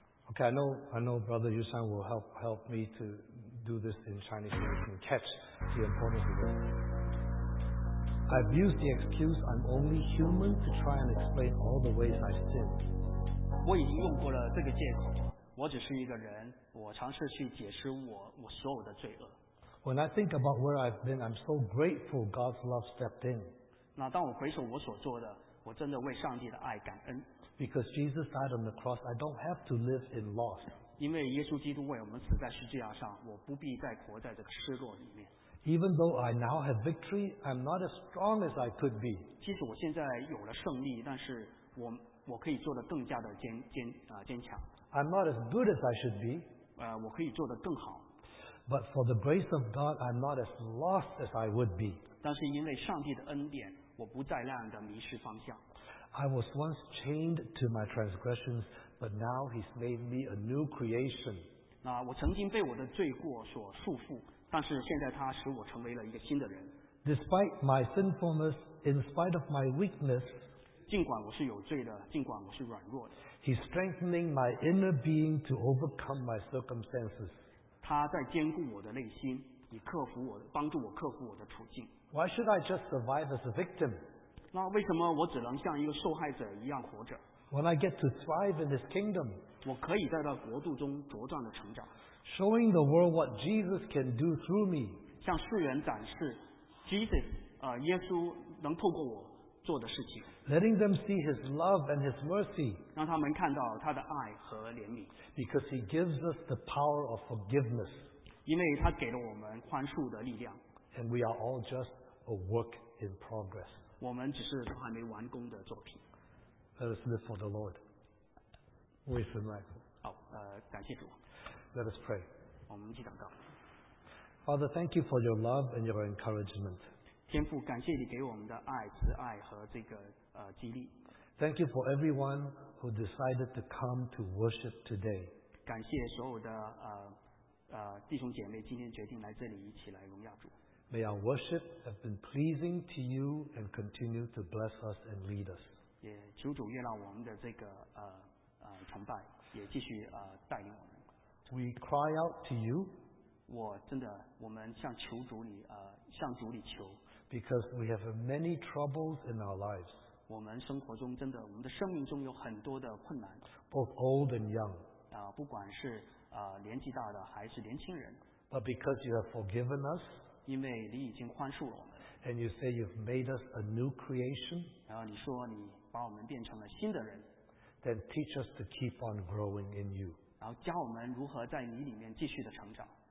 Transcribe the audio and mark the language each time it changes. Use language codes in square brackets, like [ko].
[en] Okay, I know Brother Yusan will help me to do this in Chinese so you can catch the importance of this. I've used the excuse I'm only human to try and explain all the ways I sin. [zh] 我已经用过了这个借口，我只是一个人，我尝试去解释我所有的罪恶。 [en] When I think about where I've been, I'm so grateful God's love stepped in. [zh] 那当我回首我所做的，我真的为上帝的爱感恩。 [en] Because Jesus died on the cross, I don't have to live in loss. [zh] 因为耶稣基督为我们死在十字架上，我不必再活在这个失落里面。 [en] Even though I now have victory, I'm not as strong as I could be. [zh] 即使我现在有了胜利，但是我可以做得更加的坚强。 [en] I'm not as good as I should be. [zh] 我可以做得更好。 [en] But for the grace of God, I'm not as lost as I would be. [zh] 但是因为上帝的恩典，我不再那样的迷失方向。 [en] I was once chained to my transgressions, but now He's made me a new creation. [zh] 那我曾经被我的罪过所束缚，但是现在他使我成为了一个新的人。 [en] Despite my sinfulness, in spite of my weakness, [zh] 尽管我是有罪的，尽管我是软弱的。 [en] He's strengthening my inner being to overcome my circumstances. [zh] 他在坚固我的内心，以克服我，帮助我克服我的处境。 [en] Why should I just survive as a victim? [zh] 那为什么我只能像一个受害者一样活着？ [en] When I get to thrive in this kingdom, [zh] 我可以在这国度中茁壮的成长。 [en] Showing the world what Jesus can do through me. [zh] 向世人展示 Jesus, 耶稣能透过我做的事情。 [en] Letting them see His love and His mercy. [zh] 让他们看到他的爱和怜悯。 [en] Because He gives us the power of forgiveness. [zh] 因为他给了我们宽恕的力量。 [en] And we are all just a work in progress. [zh] 我们只是还没完工的作品。 [en] Let us live for the Lord. With the Michael. [zh] 好，感谢主。 [en] Let us pray. [zh] 我们一起祷告。 [en] Father, thank you for your love and your encouragement. [zh] 天父，感谢你给我们的爱、慈爱和这个激励。 [en] Thank you for everyone who decided to come to worship today. [zh] 感谢所有的弟兄姐妹今天决定来这里一起来荣耀主。 [en] May our worship have been pleasing to you and continue to bless us and lead us. [zh] 也求主悦纳我们的这个崇拜，也继续带领我们。 [en] We cry out to you. [zh] 我真的，我们向求主你，向主你求。 [en] Because we have many troubles in our lives. [zh] 我们生活中真的，我们的生命中有很多的困难。 [en] Both old and young. [zh] 不管是年纪大的还是年轻人。 [en] But because you have forgiven us. [zh] 因为你已经宽恕了我们。 [en] And you say you've made us a new creation. [zh] 然后你说你把我们变成了新的人。 [en] Then teach us to keep on growing in you. [zh] 然后教我们如何在你里面继续的成长。